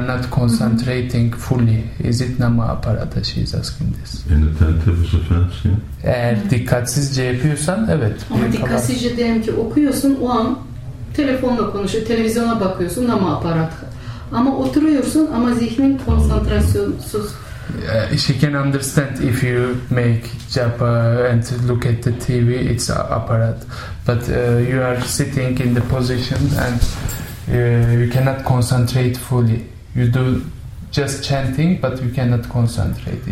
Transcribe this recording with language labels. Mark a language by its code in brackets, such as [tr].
[en] You are not concentrating fully, is it nama aparata? She's asking this. Inattentive is offensive. [tr] Eğer dikkatsizce yapıyorsan, evet. Ama dikkatsizce diyelim ki okuyorsun, o an telefonla konuşuyor, televizyona bakıyorsun, nama aparata. Ama oturuyorsun, ama zihnin konsantrasyonsuz. [en] She can understand if you make japa and look at the TV, it's aparat. But you are sitting in the position and you cannot concentrate fully. You do just chanting, but you cannot concentrate.